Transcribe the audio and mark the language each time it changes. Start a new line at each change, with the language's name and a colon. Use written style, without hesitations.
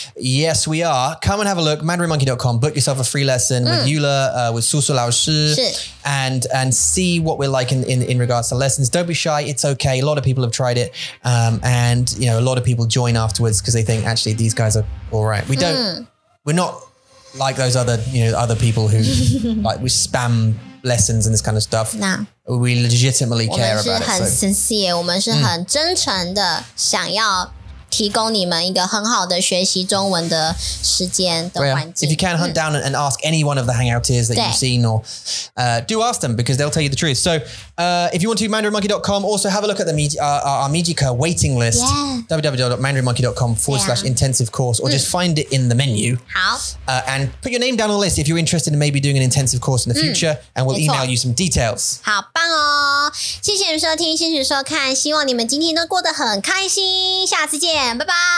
English: Yes, we are. Come and have a look. mandarinmonkey.com. Book yourself a free lesson with Yula, with Susu Lao Shi, and see what we're like in regards to lessons. Don't be shy. It's okay. A lot of people have tried it. And, you know, a lot of people join afterwards because they think, actually, these guys are all right. We don't, we're not like those other, you know, other people who like we spam lessons and this kind of stuff. No. We legitimately care about it.
Chinese: 我们是很sincere, 我们是很真诚的想要提供你们一个很好的学习中文的时间的环境。
English: Right. If you can hunt down and ask any one of the hangouters that you've seen, or do ask them because they'll tell you the truth. So if you want to, mandarinmonkey.com, also have a look at the our Mijika waiting list, www.mandarinmonkey.com/intensive course, or just find it in the menu.
Chinese: 好。
English: And put your name down on the list if you're interested in maybe doing an intensive course in the future, and we'll email you some details.
Chinese: 好棒哦。谢谢收听，谢谢收看，希望你们今天都过得很开心，下次见，拜拜。